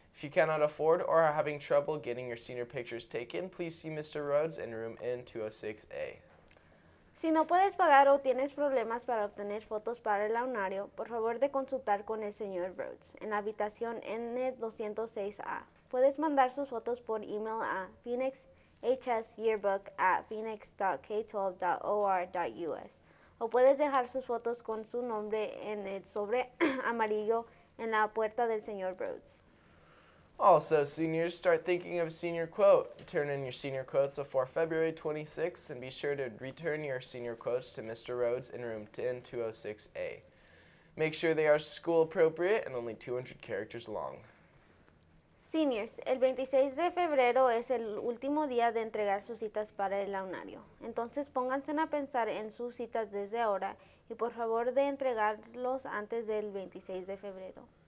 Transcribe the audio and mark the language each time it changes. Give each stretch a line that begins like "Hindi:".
English: If you cannot afford or are having trouble getting your senior pictures taken, please see Mr. Rhodes in room N206A.
Spanish: Si no puedes pagar o tienes problemas para obtener fotos para el anuario, por favor de consultar con el señor Rhodes en la habitación N206A. Puedes mandar sus fotos por email a phoenixhsyearbook@phoenix.k12.or.us o puedes dejar sus fotos con su nombre en el sobre amarillo en la puerta del señor Rhodes.
English: Also, seniors, start thinking of a senior quote. Turn in your senior quotes before February 26th and be sure to return your senior quotes to Mr. Rhodes in room 10206A. Make sure they are school appropriate and only 200 characters long.
Spanish: Seniors, el 26 de febrero es el último día de entregar sus citas para el anuario. Entonces pónganse a pensar en sus citas desde ahora y por favor de entregarlos antes del 26 de febrero.